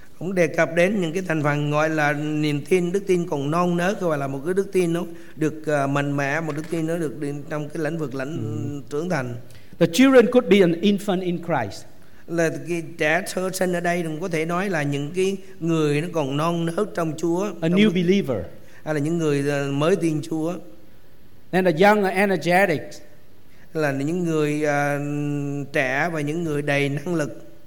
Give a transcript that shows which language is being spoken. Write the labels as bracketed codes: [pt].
[vi] Ông đề cập đến những cái thành phần gọi là niềm tin, đức tin còn non nớt, gọi là một cái đức tin nó được mạnh mẽ, một đức tin nó được trong cái lĩnh vực trưởng thành. [en] The children could be an infant in Christ. [vi] Là cái trẻ thơ sinh ở đây cũng có thể nói là những cái người nó còn non nớt trong Chúa. [en] A new believer. [vi] Hay là những người mới tin Chúa. [en] And a young and energetic. [vi] Là những người trẻ và những người đầy năng lực.